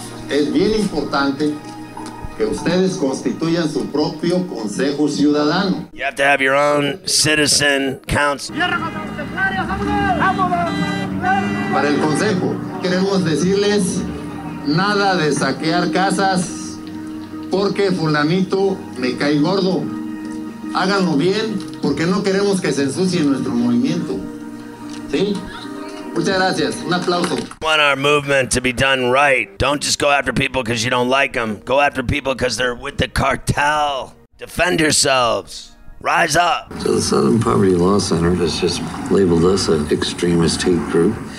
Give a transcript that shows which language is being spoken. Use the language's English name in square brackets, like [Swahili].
[Spanish] Es bien importante que ustedes constituyan su propio consejo ciudadano. [English] You have to have your own citizen council. [Spanish] Para el consejo, queremos decirles nada de saquear casas porque fulanito me cae gordo. Háganlo bien porque no queremos que se ensucie nuestro movimiento. ¿Sí? Muchas gracias. Un aplauso. [English] We want our movement to be done right. Don't just go after people because you don't like them. Go after people because they're with the cartel. Defend yourselves. Rise up. So the Southern Poverty Law Center has just labeled us an extremist hate group.